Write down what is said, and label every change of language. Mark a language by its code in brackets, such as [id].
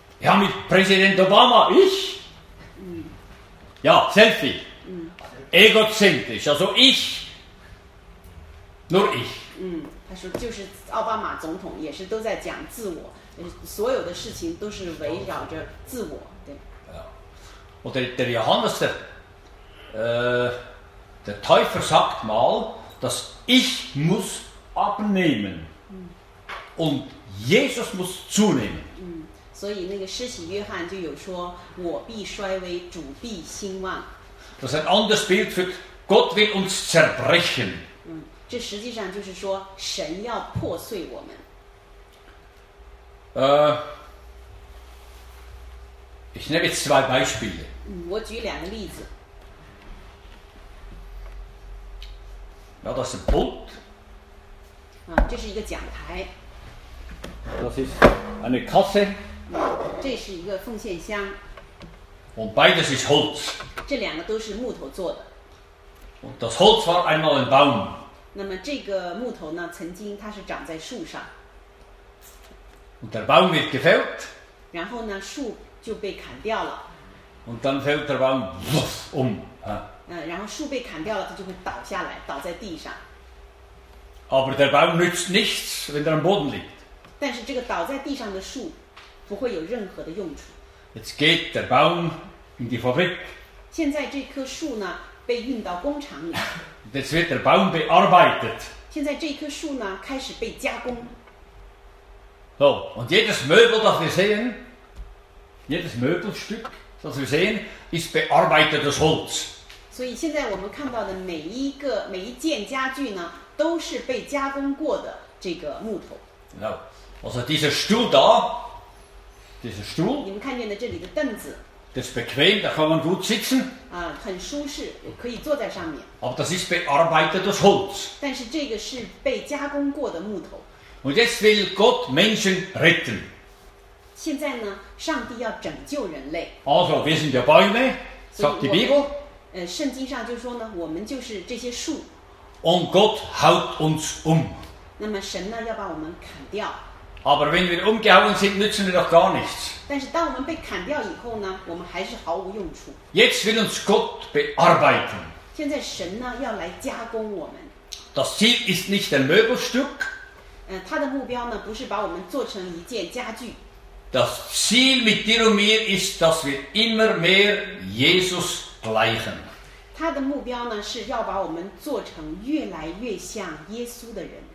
[de] Ja, mit Präsident Obama, ich. Ja, Selfie. Egozentrisch, also ich, nur ich. [zh] 他说就是奥巴马总统也是都在讲自我，所有的事情都是围绕着自我，对。 [de] Oder der Johannes, der Täufer sagt mal, dass ich muss abnehmen und Jesus muss zunehmen. [zh] 所以那个施洗约翰就有说，我必衰微，主必兴旺。 [de] Das ist ein anderes Bild für Gott will uns zerbrechen. [zh] 这实际上就是说神要破碎我们。 [de] Ich nehme zwei Beispiele. [zh] 我举两个例子。 [de] Ja, das ist ein Pult. [zh] 这是一个讲台。 [de] Das ist eine Kasse. [zh] 这是一个奉献箱。 [de] Und beides ist Holz. [zh] 这两个都是木头做的。 [de] Und das Holz war einmal ein Baum. [zh] 那么这个木头呢，曾经它是长在树上。 [de] Und der Baum wird gefällt. [zh] 然后呢，树就被砍掉了。 [de] Und dann fällt der Baum um. [zh] 然后树被砍掉了，它就会倒下来，倒在地上。 [de] Aber der Baum nützt nichts, wenn er am Boden liegt. [zh] 但是这个倒在地上的树不会有任何的用处。 [de] Jetzt geht der Baum in die Fabrik. [zh] 现在这棵树呢被运到工厂里。 [de] Jetzt wird der Baum bearbeitet. [zh] 现在这棵树呢开始被加工。 [de] So, und jedes Möbel, das wir sehen, jedes Möbelstück, das wir sehen, ist bearbeitetes Holz. [zh] 所以现在我们看到的每一件家具呢都是被加工过的这个木头。 [de] No. Also dieser Stuhl da,Dieser Stuhl, [zh] 你们看见的这里的凳子 [de] das ist bequem, da kann man gut sitzen, [zh] 很舒适，可以坐在上面。 [de] Aber das ist bearbeitetes Holz. [zh] 但是这个是被加工过的木头。 [de] Und jetzt will Gott Menschen retten. [zh] 现在呢，上帝要拯救人类。 [de] Also, wir sind ja Bäume, sagt die Bibel. [zh] 圣经上就说呢，我们就是这些树。 [de] Und Gott haut uns um. [zh] 那么神呢，要把我们砍掉。 [de] Aber wenn wir umgehauen sind, nützen wir doch gar nichts. [zh] 但是当我们被砍掉以后呢，我们还是毫无用处。 [de] Jetzt will uns Gott bearbeiten. [zh] 现在神呢要来加工我们。 [de] Das Ziel ist nicht ein Möbelstück. [zh] 他的目标呢不是把我们做成一件家具。 [de] Das Ziel mit dir und mir ist, dass wir immer mehr Jesus gleichen. [zh] 他的目标呢是要把我们做成越来越像耶稣的人。